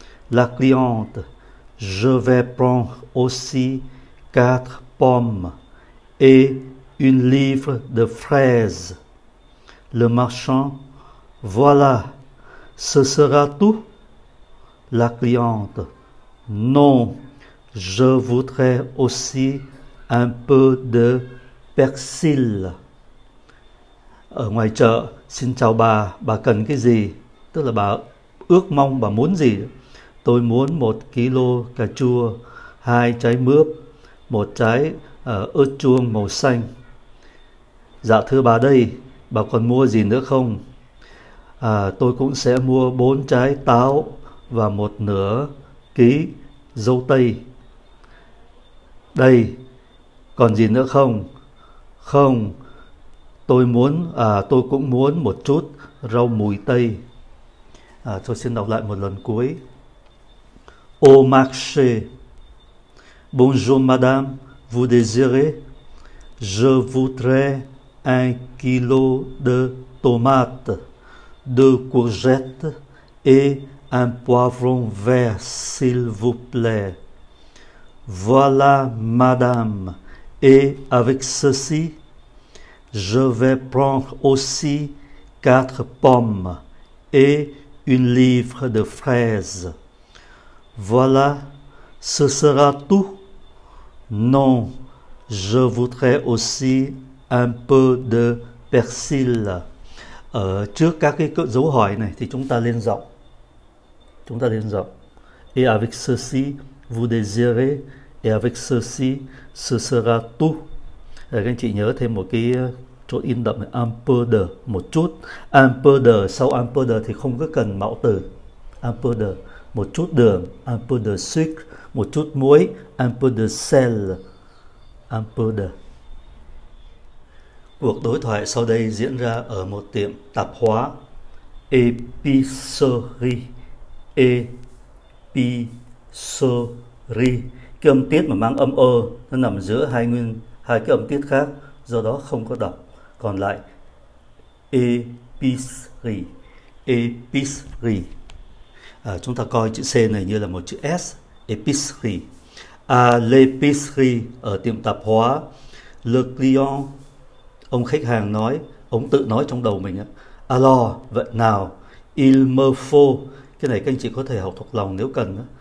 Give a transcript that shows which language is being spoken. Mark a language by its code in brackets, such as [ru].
[fr] La cliente, je vais prendre aussi quatre pommes et une livre de fraises. Le marchand, voilà, ce sera tout. La cliente, non, je voudrais aussi un peu de persil. [vi] Ở ngoài chợ, xin chào bà cần cái gì? Tức là bà ước mong bà muốn gì? Tôi muốn 1 kg cà chua, 2 trái mướp, 1 trái ớt chuông màu xanh. Dạ thưa bà đây, bà còn mua gì nữa không? À, tôi cũng sẽ mua 4 trái táo và 1 nửa ký dâu tây. Đây, còn gì nữa không? Không. Tôi cũng muốn một chút rau mùi tây. À, tôi xin đọc lại một lần cuối. [fr] Au marché. Bonjour madame, vous désirez? Je voudrais 1 kg de tomates, deux courgettes et un poivron vert, s'il vous plaît. Voilà madame. Et avec ceci, je vais prendre aussi 4 pommes et 1 livre de fraises. Voilà, ce sera tout. Non, je voudrais aussi un peu de persil. [vi] Ở trước các cái dấu hỏi này thì chúng ta lên giọng. Chúng ta lên giọng. [fr] Et avec ceci, vous désirez, et avec ceci, ce sera tout. [vi] Các anh chị nhớ thêm một cái chỗ in đậm là un peu de một chút. [fr] Un peu de, [vi] sau [fr] un peu de [vi] thì không có cần mạo từ. [fr] Un peu de, [vi] một chút đường, [fr] un peu de sucre, [vi] một chút muối, [fr] un peu de sel, un peu de. [vi] Cuộc đối thoại sau đây diễn ra ở một tiệm tạp hóa. Épicerie, épicerie, cái âm tiết mà mang âm ơ, nó nằm giữa hai cái âm tiết khác, do đó không có đọc. Còn lại épicerie, épicerie. À, chúng ta coi chữ C này như là một chữ S, épicerie. À, l'épicerie, ở tiệm tạp hóa. Le client, ông khách hàng nói, ông tự nói trong đầu mình á. Alors, vậy nào, [fr] il me faut, [vi] cái này các anh chị có thể học thuộc lòng nếu cần á.